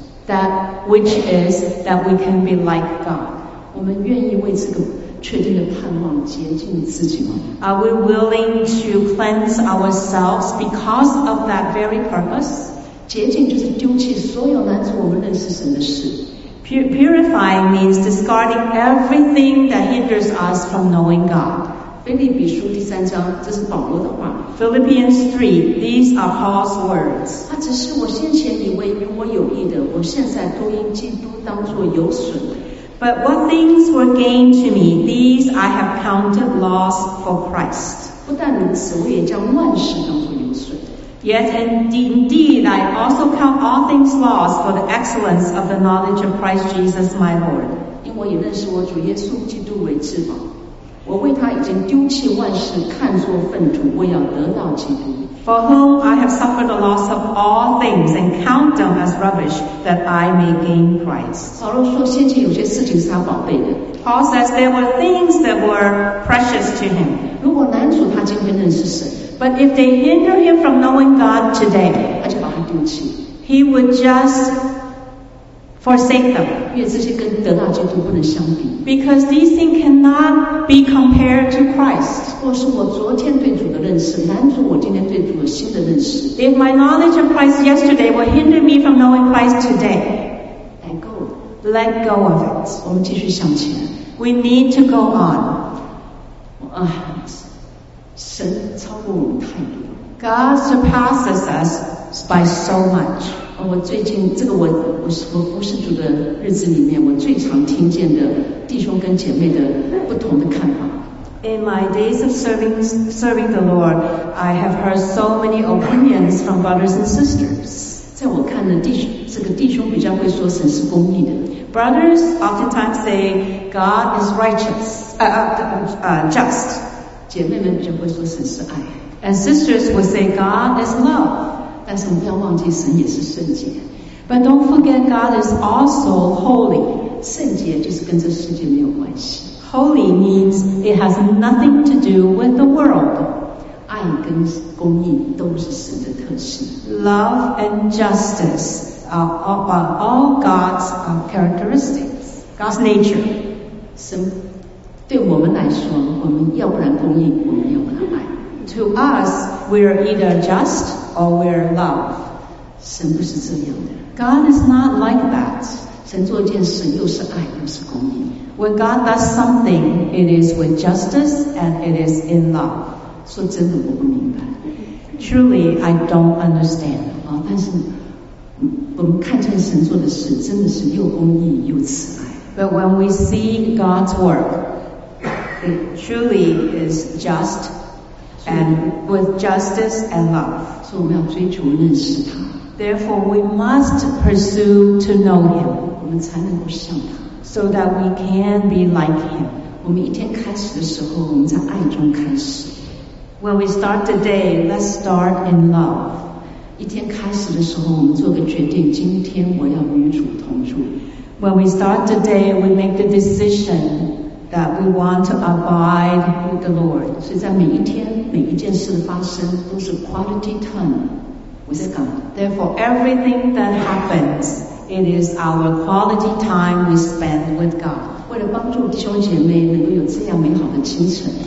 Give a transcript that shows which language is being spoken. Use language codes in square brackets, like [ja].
[en] ，that which is that we can be like God. [zh] 我们愿意为这个。确定的盼望洁净自己吗 [en] ？Are we willing to cleanse ourselves because of that very purpose? [zh] 洁净就是丢弃所有拦阻我们认识神的事。 [en] Purifying means discarding everything that hinders us from knowing God. [zh] 腓立比书第三章，这是保罗的话。 [en] Philippians 3, these are Paul's words. [zh] 他只是我先前以为与我有益的，我现在都因基督当作有损的。 [en] But what things were gained to me, these I have counted loss for Christ. [zh] 不但如此，我也将万事当作有损。 [en] Yet indeed, I also count all things loss for the excellence of the knowledge of Christ Jesus my Lord. [zh] 因为我也认识我主耶稣基督为至宝。我为他已经丢弃万事，看作粪土，为要得到基督。 [en] For whom I have suffered the loss of all things and count them as rubbish that I may gain Christ. [zh] 保罗说先前有些事情是他宝贝的。 [en] Paul says there were things that were precious to him. [zh] 如果拦阻他今天认识神。 [en] But if they hinder him from knowing God today, [zh] 他就把他丢弃。 [en] He would just forsake them. [zh] 因为这些跟得到基督不能相比。 [en] Because these things cannot be compared to Christ. [zh] 或是我昨天对主的认识拦阻我今天对主的新的认识 [en] If my knowledge of Christ yesterday will hinder me from knowing Christ today Let go of it [zh] 我们继续向前 [en] We need to go on [zh] 神超过我们太多 [en] God surpasses us by so much [zh] 我最近这个我服侍主的日子里面我最常听见的弟兄跟姐妹的不同的看法 [en] In my days of serving the Lord, I have heard so many opinions from brothers and sisters. [zh] 在我看呢，这个弟兄比较会说神是公义的。 [en] Brothers oftentimes say God is righteous, just. [zh] 姐妹们比较会说神是爱。 [en] And sisters would say God is love. [zh] 但是我们不要忘记神也是圣洁。 [en] But don't forget God is also holy. [zh] 圣洁就是跟这世界没有关系。 [en] Holy means it has nothing to do with the world. [zh] 爱跟公义都是神的特质。 [en] Love and justice are all God's characteristics, God's nature. [zh] 神对我们来说，我们要不然公义，我们要不然爱。 [en] To us, we're either just or we're love. [zh] 神不是这样的。 [en] God is not like that. [zh] 神做一件事又是爱又是公义。 [en] When God does something, it is with justice and it is in love. [zh] 说真的，我不明白。 [en] Truly, I don't understand. [zh] 啊，但是我们看见神做的事，真的是又公义又慈爱。 [en] But when we see God's work, it truly is just and with justice and love. [zh] 所以我们要追求认识他。 [en] Therefore, we must pursue to know Him. [zh] 我们才能够像他。 [en] So that we can be like Him. [zh] 我们一天开始的时候，我们在爱中开始。 [en] When we start the day, let's start in love. [zh] 一天开始的时候，我们做个决定，今天我要与主同住。 [en] When we start the day, we make the decision that we want to abide with the Lord. [zh] 所以在每一天，每一件事的发生都是 [en] quality time with God. Therefore, everything that happens, it is our quality time we spend with God. [zh] 为了帮助弟兄姐妹能够有这样美好的清晨。